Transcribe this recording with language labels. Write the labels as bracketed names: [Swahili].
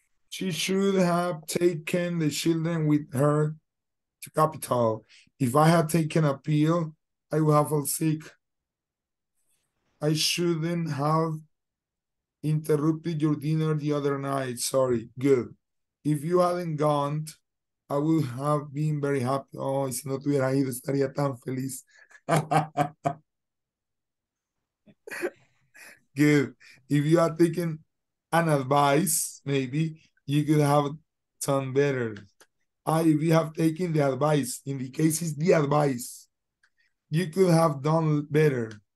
[English] She should have taken the children with her to capital. If I had taken a pill, I would have fallen sick. I shouldn't have interrupted your dinner the other night. Sorry. Good. If you hadn't gone, I would have been very happy. [Spanish] Oh, si no tuviera ido, estaría tan feliz. [English] Good. If you had taken an advice, maybe you could have done better. If you have taken the advice, in the case is the advice, you could have done better.